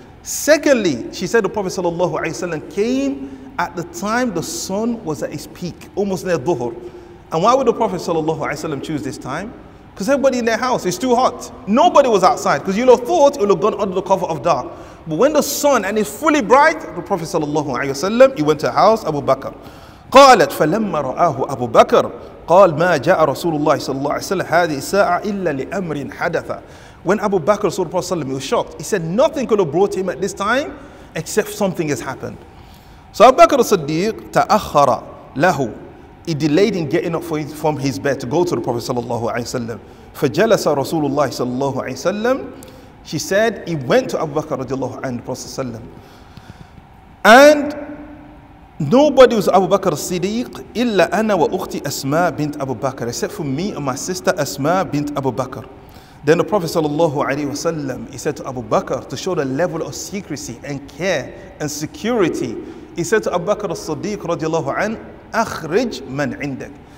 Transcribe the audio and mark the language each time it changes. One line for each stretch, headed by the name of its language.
English: Secondly, she said the Prophet sallallahu alayhi wa sallam came at the time the sun was at its peak, almost near Dhuhr. And why would the Prophet sallallahu alayhi wa sallam choose this time? Because everybody in their house, it's too hot. Nobody was outside, because you would have thought it would have gone under the cover of dark. But when the sun, and it's fully bright, the Prophet sallallahu alayhi wa sallam, he went to the house, Abu Bakr.
Arabic: قالت فلما رآه أبو بكر قال ما جاء رسول الله صلى الله عليه وسلم هذه الساعة إلا لأمر حدث.
English: When Abu Bakr saw the Prophet sallallahu alayhi wa sallam, he was shocked. He said nothing could have brought him at this time except something has happened. So Abu Bakr al-Siddiq تأخر له. He delayed in getting up from his bed to go to the Prophet sallallahu alayhi wa sallam.
Arabic: فجلس رسول الله صلى الله عليه وسلم.
English: She said he went to Abu Bakr radiallahu anhu and the Prophet and nobody was Abu Bakr al-Siddiq illa ana wa ukhti Asma bint Abu Bakr, except for me and my sister Asma bint Abu Bakr. Then the Prophet sallallahu alayhi wa sallam, he said to Abu Bakr, to show the level of secrecy and care and security, he said to Abu Bakr al-Siddiq radiallahu anhu, akhrij man indak.